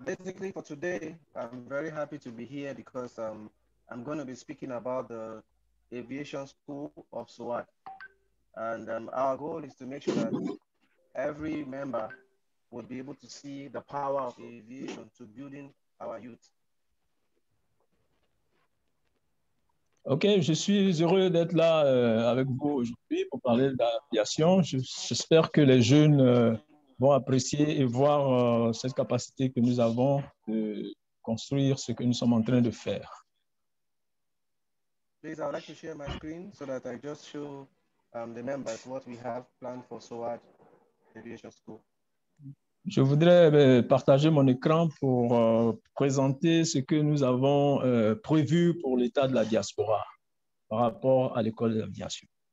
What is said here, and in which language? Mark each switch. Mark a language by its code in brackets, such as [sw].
[en] Basically, for today, I'm very happy to be here because I'm going to be speaking about the Aviation School of SOAD. And our goal is to make sure that every member will be able to see the power of aviation to building our youth. [fr] Okay, je suis heureux d'être là avec vous aujourd'hui pour parler d'aviation. J'espère que les jeunes vont apprécier et voir cette capacité que nous avons de construire ce que nous sommes en train de faire. [en] Please, I would like to share my screen so that I just show the members what we have planned for SOAD. [fr] Je voudrais partager mon écran pour présenter ce que nous avons prévu pour l'état de la diaspora par rapport à l'école de l'aviation.